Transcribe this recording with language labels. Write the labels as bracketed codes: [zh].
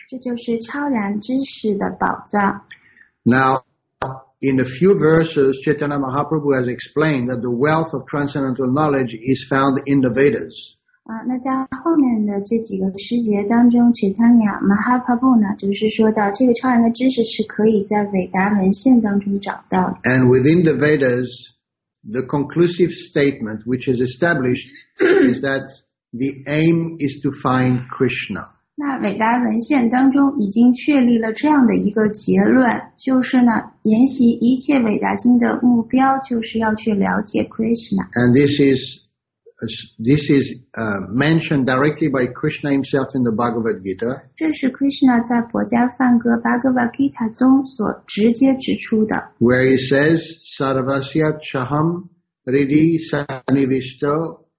[zh] 这就是超然知识的宝藏。 [en] Now, in a few verses, Chaitanya Mahaprabhu has explained that the wealth of transcendental knowledge is found in the Vedas. [zh] 那在后面的这几个诗节当中 ，Chaitanya Mahaprabhu 呢，就是说到这个超然的知识是可以在韦达文献当中找到的。 [en] And within the Vedas, the conclusive statement which is established is that. The aim is to find Krishna. [zh] 那韦达文献当中已经确立了这样的一个结论，就是呢，研习一切韦达经的目标就是要去了解 Krishna. [en] And this is mentioned directly by Krishna himself in the Bhagavad Gita. [zh] 这是 Krishna 在《薄伽梵歌》Bhagavad Gita 中所直接指出的。 [en] Where he says, [sa] "Sarvasya chaham ridhi sannivishto."